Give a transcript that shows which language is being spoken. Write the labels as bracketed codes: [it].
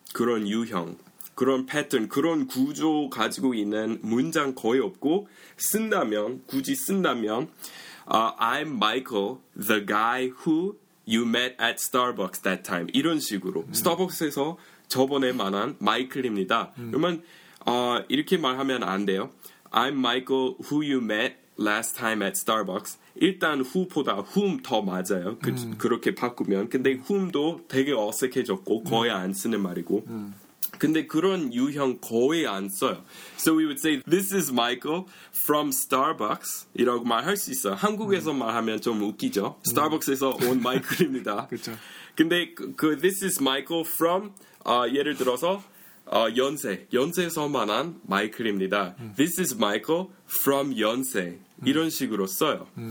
[ko] 그런 유형 그런 패턴, 그런 구조 가지고 있는 문장 거의 없고 쓴다면 [en] I'm Michael, the guy who you met at Starbucks that time. [ko] 이런 식으로 스타벅스에서 저번에 만난 마이클입니다. 그러면 이렇게 말하면 안 돼요. [en] I'm Michael who you met last time at Starbucks. [ko] 일단 who보다 whom 더 맞아요. 그렇게 바꾸면. 근데 whom도 되게 어색해졌고 거의 안 쓰는 말이고. 근데 그런 유형 거의 안 써요. [en] So we would say, this is Michael from Starbucks. [ko] 이라고 말할 수 있어요. 한국에서 말하면 좀 웃기죠. Starbucks에서 온 마이클입니다. 그렇죠. 근데 그 [en] this is Michael from, [ko] 예를 들어서, 연세에서 만난 마이클입니다. [en] This is Michael from 연세. [ko] 이런 식으로 써요.